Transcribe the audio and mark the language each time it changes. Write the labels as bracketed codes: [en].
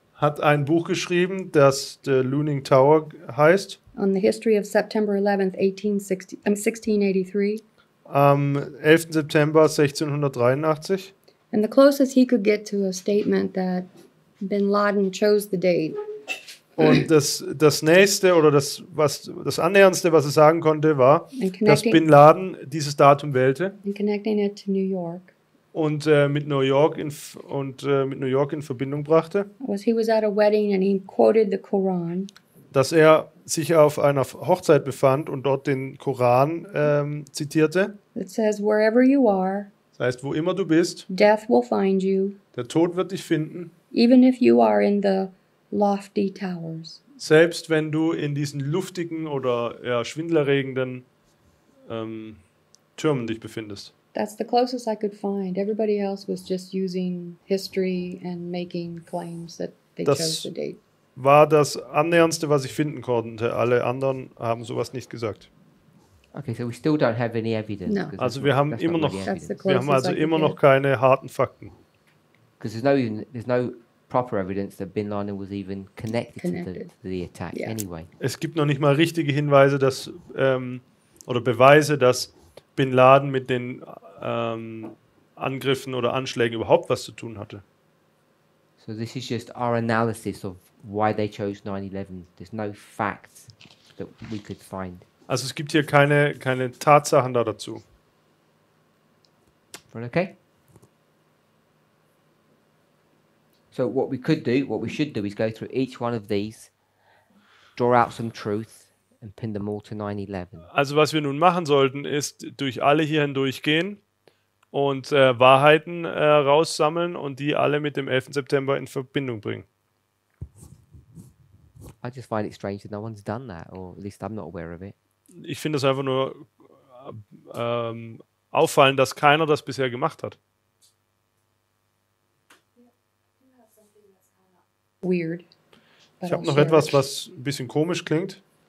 [de] Hat ein Buch geschrieben, das The Looming Tower heißt. [en] On the history of September 11th, 1683. [de] Am 11. September 1683. [en] And the closest he could get to a statement that Bin Laden chose the date. [de] Und das nächste oder das annäherndste, was er sagen konnte, war, dass Bin Laden dieses Datum wählte. [en] And connecting it to New York. [de] Und mit New York in Verbindung brachte. [en] Was he was at a wedding and he quoted the Quran. [de] Dass er sich auf einer Hochzeit befand und dort den Koran zitierte. [en] It says, wherever you are, [de] das heißt, wo immer du bist, [en] death will find you, [de] der Tod wird dich finden, [en] even if you are in the lofty towers. [de] Selbst wenn du in diesen luftigen oder ja, schwindelerregenden Türmen dich befindest. [en] That's the closest I could find. Everybody else was just using history and making claims that they [de] das [en] chose the date. [de] War das Annäherndste, was ich finden konnte. Alle anderen haben sowas nicht gesagt. [en] Okay, so we still don't have any evidence. No. [de] Also wir haben immer noch, wir haben also immer noch keine harten Fakten. [en] Because there's no proper evidence that Bin Laden was even connected. To the attack, yeah. Anyway. [de] Es gibt noch nicht mal richtige Hinweise, dass oder Beweise, dass Bin Laden mit den Angriffen oder Anschlägen überhaupt was zu tun hatte. [en] So this is just our analysis of why they chose 9/11. There's no facts that we could find. [de] Also es gibt hier keine Tatsachen da dazu. [en] Okay. So what we could do, what we should do is go through each one of these, draw out some truth and pin them all to 9/11. [de] Also was wir nun machen sollten, ist durch alle hier hindurch gehen und Wahrheiten raussammeln und die alle mit dem 11. September in Verbindung bringen. [en] I just find it strange that no one's done that, or at least I'm not aware of it. [de] Ich finde es einfach nur auffallend, dass keiner das bisher gemacht hat. [en] Weird. [de] Ich habe noch etwas, was ein bisschen komisch klingt.